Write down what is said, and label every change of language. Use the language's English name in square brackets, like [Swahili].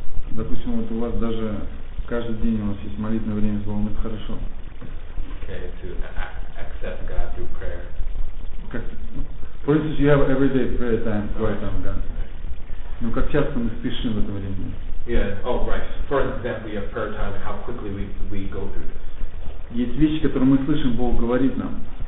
[Russian] Допустим, вот у вас даже каждый день у вас есть молитвенное время с Богом, это хорошо. [English] Okay, to accept God through prayer. For instance, you have everyday prayer time, quiet time, God. [Russian] Ну, как часто мы спешим в это время? [English] Yeah, oh, right. For example, we have prayer time, how quickly we go through this. [Russian] Есть вещи, которые мы слышим, Бог говорит нам.